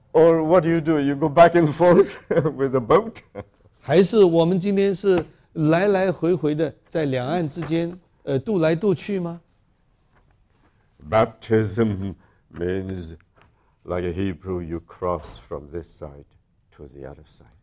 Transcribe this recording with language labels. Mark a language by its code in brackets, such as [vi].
[en] Or what do? You go back and forth with a boat. [zh] 还是我们今天是来来回回的在两岸之间？渡来渡去吗？ [en] Baptism means like a Hebrew, you cross from this side to the other side.